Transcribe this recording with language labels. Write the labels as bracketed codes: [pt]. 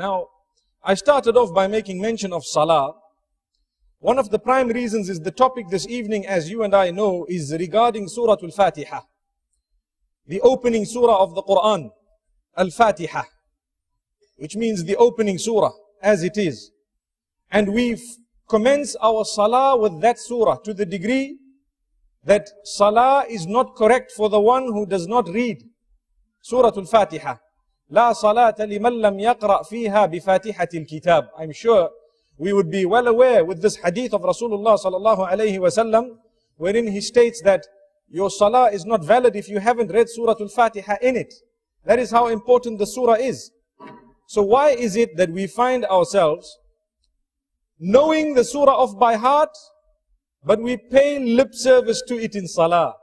[en] Now, I started off by making mention of salah. One of the prime reasons is the topic this evening, as you and I know, is regarding Surah Al-Fatiha, the opening surah of the Qur'an, Al-Fatiha, which means the opening surah, as it is. And we commence our salah with that surah to the degree that salah is not correct for the one who does not read Surah Al-Fatiha. [ar] لا صلاة لمن لم يقرأ فيها بفاتحة الكتاب. [en] I'm sure we would be well aware with this hadith of Rasulullah sallallahu alayhi wa sallam, wherein he states that your salah is not valid if you haven't read Surah Al-Fatiha in it. That is how important the surah is. So why is it that we find ourselves knowing the surah off by heart, but we pay lip service to it in salah?